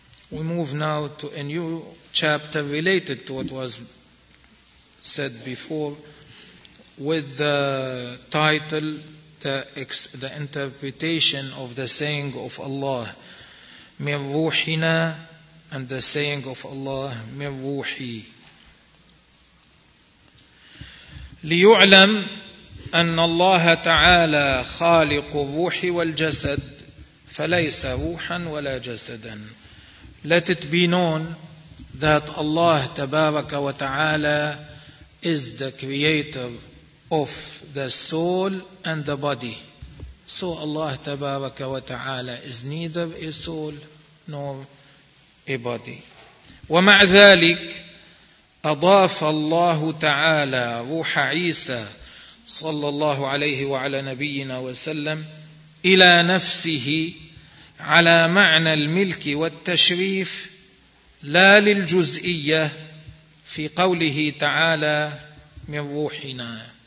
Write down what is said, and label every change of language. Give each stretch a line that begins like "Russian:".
English: We move now to a new chapter related to what was said before with the title the interpretation of the saying of Allah
Arabic: من روحنا
English: and the saying of Allah
Arabic: من روحي. ليعلم أن الله تعالى خالق الروح والجسد فليس روحا ولا جسدا.
English: Let it be known that Allah تبارك وتعالى is the creator of the soul and the body. So Allah تبارك وتعالى is neither a soul nor a body.
Arabic: ومع ذلك أضاف الله تعالى روح عيسى صلى الله عليه وعلى نبينا وسلم إلى نفسه على معنى الملك والتشريف لا للجزئية في قوله تعالى من روحنا.